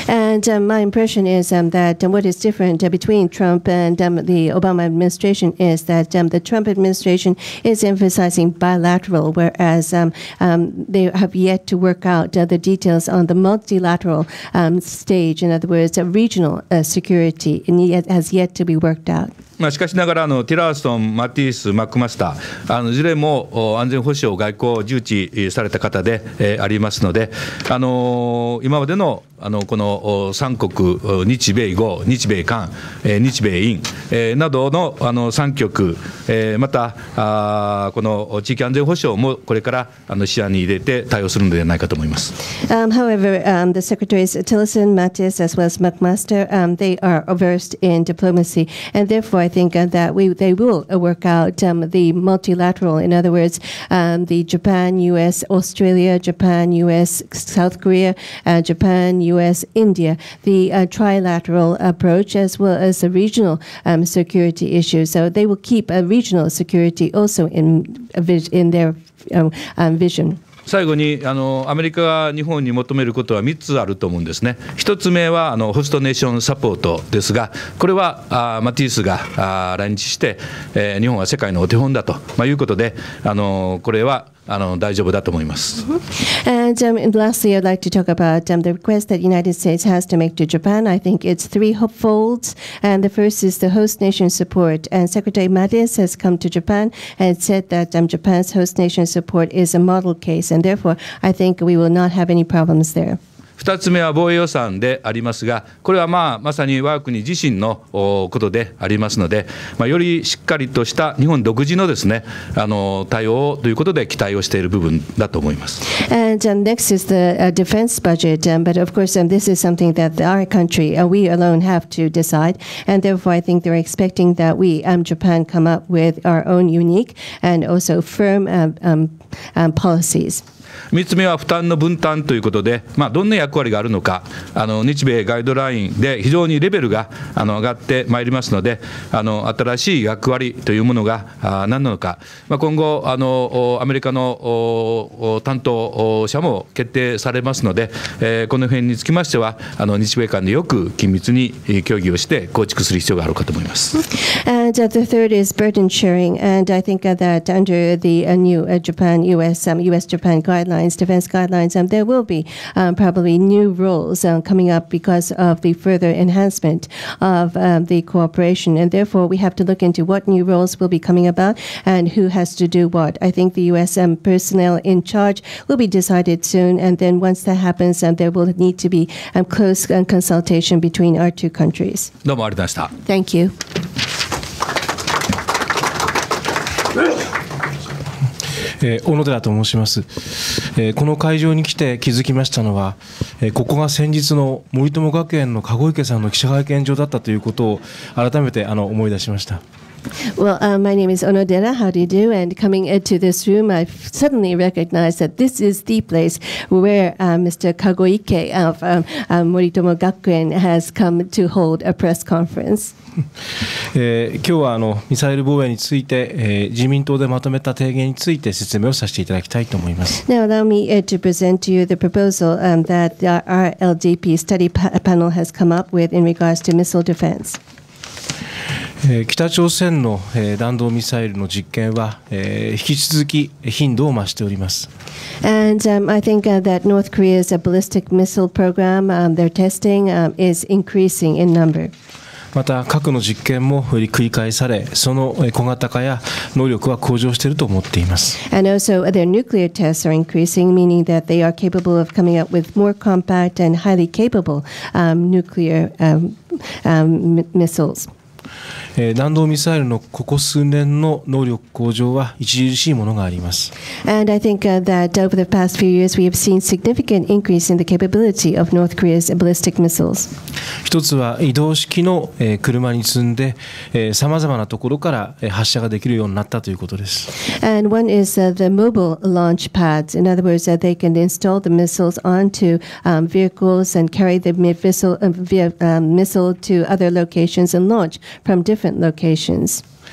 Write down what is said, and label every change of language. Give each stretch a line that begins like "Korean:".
English: And、my impression is、that what is different between Trump and、the Obama administration is that、the Trump administration is emphasizing bilateral whereas、they have yet to work out、the details on the multilateral、stage in other words regional、security has yet to be worked out。
Japanese: まあ、しかしながらティラーソン、マティース、マックマスターいずれも安全保障外交重視された方でありますので今までのこの3国日米豪、日米韓、日米印などの3極またこの地域安全保障もこれから視野に入れて対応するのではないかと思います。
English: However, the Secretaries Tillerson, Mattis as well as McMaster、they are versed in diplomacy and therefore I think that they will work out、the multilateral in other words、the Japan, US, Australia, Japan, US, South Korea、Japan, USUS, India, the、trilateral approach as well as the regional、security issues. So they will keep a regional security also in their、vision.
Japanese: 最後にアメリカが日本に求めることは3つあると思うんですね。 1つ目はホストネーションサポートですが、これはマティースが来日して、日本は世界のお手本だと、まあ、いうことで、これは大丈夫だと思います。
English: And、lastly, I'd like to talk about、the request that United States has to make to Japan. I think it's threefold. And the first is the host nation support. And Secretary Mattis has come to Japan and said that、Japan's host nation support is a model case. And therefore, I think we will not have any problems there.
Japanese: 2つ目は防衛予算でありますが、これは、まあ、まさに我が国自身のことでありますので、まあ、よりしっかりとした日本独自のですね、対応ということで期待をしている部分だと思います。
English: And、next is the、defense budget.、but of course、this is something that our country,、we alone have to decide. And therefore, I think they're expecting that we,、Japan, come up with our own unique and also firm、policies.
Japanese: 3つ目は負担の分担ということで、まあ、どんな役割があるのか、日米ガイドラインで非常にレベルが上がってまいりますので、新しい役割というものが何なのか、まあ、今後アメリカの担当者も決定されますので、この辺につきましては日米間でよく緊密に協議をして構築する必要があるかと思います。
English: And the third is burden sharing. And I think that under the new US-Japan guidelines, defense guidelines, there will be probably new roles coming up because of the further enhancement of the cooperation. And therefore, we have to look into what new roles will be coming about and who has to do what. I think the US personnel in charge will be decided soon. And then once that happens, there will need to be close consultation between our two countries.
Japanese: どうもありがとうございました。
English: Thank you.
Japanese: 小野寺と申します。この会場に来て気づきましたのは、ここが先日の森友学園の籠池さんの記者会見場だったということを改めて思い出しました。
English: Well, my name is Onodera. How do you do? And coming into this room, I suddenly recognized that this is the place where Mr. Kagoike of Moritomo Gakuen has come to hold a press conference.
Japanese: 今日はミサイル防衛について、自民党でまとめた提言について説明をさせていただきたいと思います。
English: Now, allow me to present to you the proposal that our LDP study panel has come up with in regards to missile defense.
Japanese: 北朝鮮の弾道ミサイルの実験は引き続き頻度を増しております。
English: And I think that North Korea's ballistic missile program, their testing is increasing in number.
Japanese: また核の実験も繰り返され、その小型化や能力は向上していると思っています。
English: And also their nuclear tests are increasing, meaning that they are capable of coming up with more compact and highly capable nuclear missiles.
Japanese: 弾道ミサイルのここ数年の能力向上は著しいものがあります。
English: And I think that over the past few years we have seen significant increase in the capability of North Korea's ballistic missiles.
Japanese: 一つは移動式の車に積んで、様々なところから発射ができるようになったということです。
English: And one is the mobile launch pads. In other words, they can install the missiles onto vehicles and carry the missile to other locations and launch from different locations.